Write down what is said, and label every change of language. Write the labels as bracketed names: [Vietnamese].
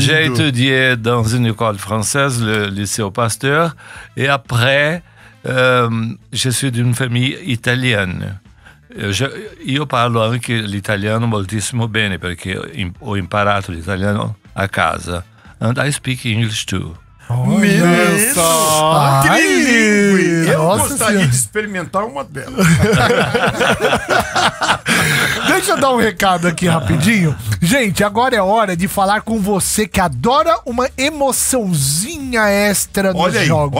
[French] Jeito de dans une école française, le lycée Pasteur. Et après, je suis d'une famille italienne. [Italian] Io parlo anche l'italiano moltissimo bene, perché ho imparato l'italiano a casa. [English] And I speak English too. [Portuguese] Nossa! Trilingue! Eu gostaria de experimentar uma delas. Deixa eu dar um recado aqui rapidinho. Gente, agora é hora de falar com você que adora uma emoçãozinha extra nos jogos.